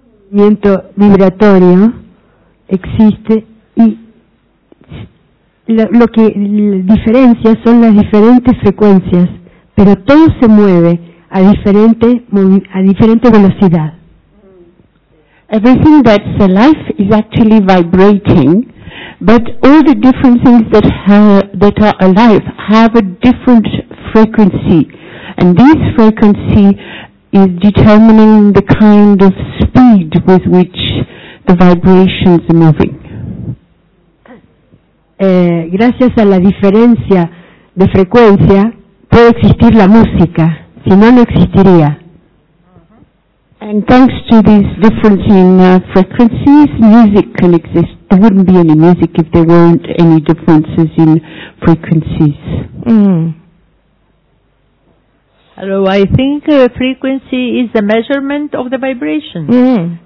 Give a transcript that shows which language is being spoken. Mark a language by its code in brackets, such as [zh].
[es] Movimiento vibratorio existe y lo que diferencia son las diferentes frecuencias, pero todo se mueve a diferente velocidad. [en] Everything that's alive is actually vibrating, but all the different things that are alive have a different frequency, and this frequency is determining the kind of speed with which the vibrations moving. [es] Gracias a la diferencia de frecuencia puede existir la música, si no, no existiría. [en] And thanks to this difference in frequencies, music can exist. There wouldn't be any music if there weren't any differences in frequencies. Hello, I think frequency is the measurement of the vibration.